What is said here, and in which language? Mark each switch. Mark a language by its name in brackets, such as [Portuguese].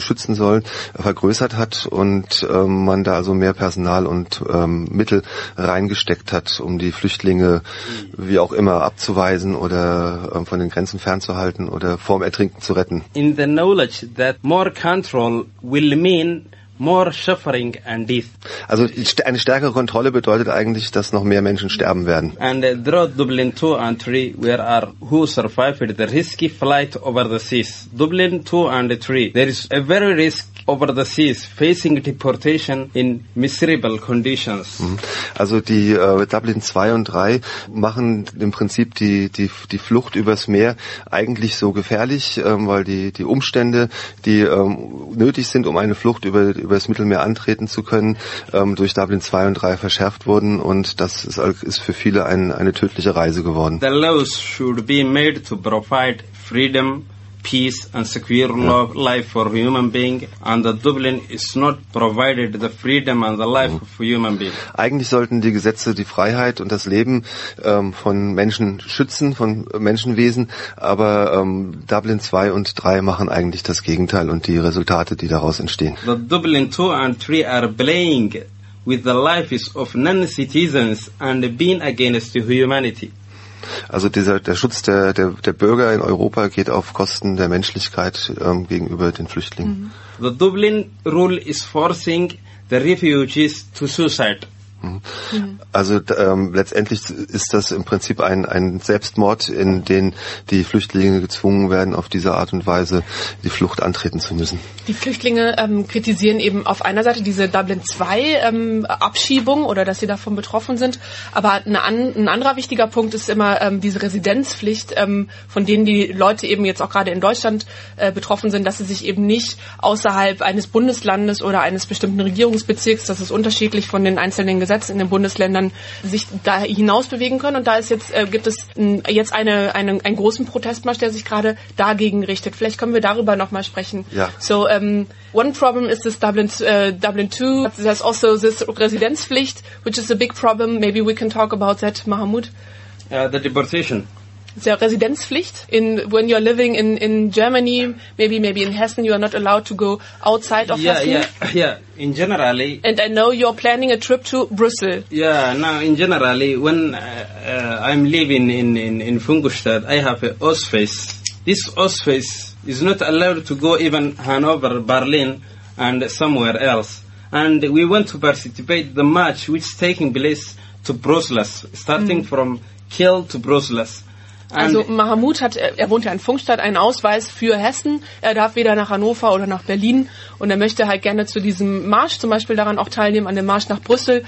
[German] schützen sollen, vergrößert hat und man da also mehr Personal und Mittel reingesteckt hat, um die Flüchtlinge wie auch immer abzuweisen oder von den Grenzen fernzuhalten oder vorm Ertrinken zu retten. [English] In the knowledge that more control will mean more suffering and death. [German] Also eine stärkere Kontrolle bedeutet eigentlich, dass noch mehr Menschen sterben werden. [English] And throughout Dublin 2 and 3, where are who survived the risky flight over the seas? Dublin 2 and 3, there is a very risk over the seas facing deportation in miserable conditions. [German] Also die Dublin 2 und 3 machen im Prinzip die Flucht übers Meer eigentlich so gefährlich, weil die Umstände, die nötig sind, um eine Flucht über das Mittelmeer antreten zu können, durch Dublin 2 und 3 verschärft wurden und das ist für viele eine tödliche Reise geworden. [English] The laws should be made to provide freedom, peace and secure life for human being, and the Dublin is not provided the freedom and the life for human being. [German] Eigentlich sollten die Gesetze die Freiheit und das Leben von Menschen schützen, von Menschenwesen, aber Dublin 2 und 3 machen eigentlich das Gegenteil und die Resultate, die daraus entstehen. [English] The Dublin 2 and 3 are playing with the lives of non-citizens and being against humanity. [German] Also der Schutz der Bürger in Europa geht auf Kosten der Menschlichkeit gegenüber den Flüchtlingen. [English] The Dublin rule is forcing the refugees to suicide. [German] Also letztendlich ist das im Prinzip ein Selbstmord, in den die Flüchtlinge gezwungen werden, auf diese Art und Weise die Flucht antreten zu müssen. Die Flüchtlinge kritisieren eben auf einer Seite diese Dublin-II-Abschiebung oder dass sie davon betroffen sind. Aber ein anderer wichtiger Punkt ist immer diese Residenzpflicht, von denen die Leute eben jetzt auch gerade in Deutschland betroffen sind, dass sie sich eben nicht außerhalb eines Bundeslandes oder eines bestimmten Regierungsbezirks, das ist unterschiedlich von den einzelnen Gesetzen in den Bundesländern, sich da hinaus bewegen können. Und da ist jetzt gibt es jetzt einen großen Protestmarsch, der sich gerade dagegen richtet. Vielleicht können wir darüber nochmal sprechen. Ja. [English] So, one problem is this Dublin II, there's also this Residenzpflicht, which is a big problem. Maybe we can talk about that, Mahmoud. The deportation. It's a Residenzpflicht. When you're living in Germany, maybe in Hessen, you are not allowed to go outside of Hessen. Yeah. In generally. And I know you're planning a trip to Brussels. Yeah. Now, in generally, when I'm living in Funkstadt, I have an Ausweis. This Ausweis is not allowed to go even Hanover, Berlin, and somewhere else. And we want to participate the march which is taking place to Brussels, starting from Kiel to Brussels. [German] Also Mahmoud er wohnt ja in Funkstadt, einen Ausweis für Hessen. Er darf weder nach Hannover oder nach Berlin und er möchte halt gerne zu diesem Marsch zum Beispiel daran auch teilnehmen, an dem Marsch nach Brüssel.